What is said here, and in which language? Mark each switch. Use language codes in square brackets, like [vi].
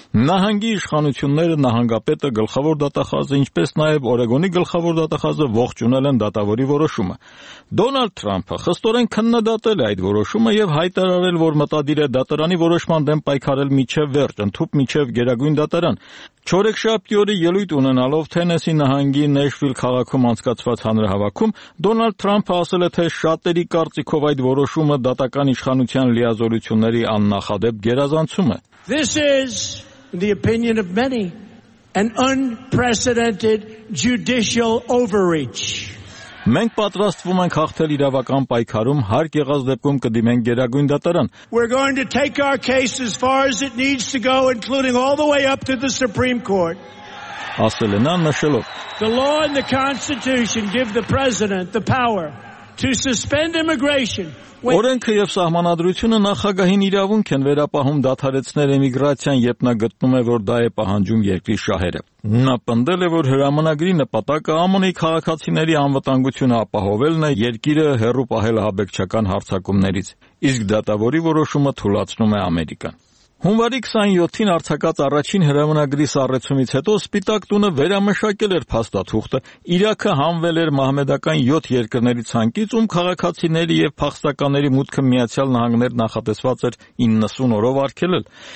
[hy] Նահանգի իշխանությունները, նահանգապետը, գլխավոր դատախազը, ինչպես նաև Օրեգոնի գլխավոր դատախազը ողջունել են դատավորի որոշումը։ Դոնալդ Թրամփը խստորեն քննադատել է այդ որոշումը եւ հայտարարել, որ մտադիր է դատարանի որոշման դեմ պայքարել միջև վերջ, ընդհուպ միջև գերագույն դատարան։ Չորեքշաբթի օրը ելույթ ունենալով Թենեսի նահանգի Նեշվիլ քաղաքում անցկացված հանրահավաքում Դոնալդ Թրամփը ասել է, թե շատերի կարծիքով այդ որոշումը դատական իշխանության լիազորությունների աննախադեպ գերազանցում է։ [en] In the opinion of many, an unprecedented judicial overreach. [hy] Մենք պատրաստվում ենք հաղթել իրավական պայքարում, հարկ եղած դեպքում կդիմենք գերագույն դատարան։ [en] We're going to take our case as far as it needs to go, including all the way up to the Supreme Court. [hy] Ասել են նշելով. [en] The law and the Constitution give the president the power to suspend immigration. [hy] Օրենքը եւ սահմանադրությունը նախագահին իրավունք են վերապահում դադարեցնել իմիգրացիան, երբ նա գտնում է, որ դա է պահանջում երկրի շահերը։ Նա պնդել է, որ հրամանագրի նպատակը ԱՄՆ-ի քաղաքացիների անվտանգությունը ապահովելն է, երկիրը հեռու պահել հաբեկչական հարձակումներից, իսկ դատավորի որոշումը թուլացնում է Ամերիկան։ Հունվարի 27-ին արձակած առաջին հրամանագրի սառեցումից հետո Սպիտակ տունը վերամշակել էր փաստաթուղթը, Իրաքը հանվել էր մահմեդական 7 երկրների ցանկից, ում քաղաքացիների եւ փախստականների մուտքը Միացյալ Նահանգներ նախատեսված էր 90 օրով արգելել։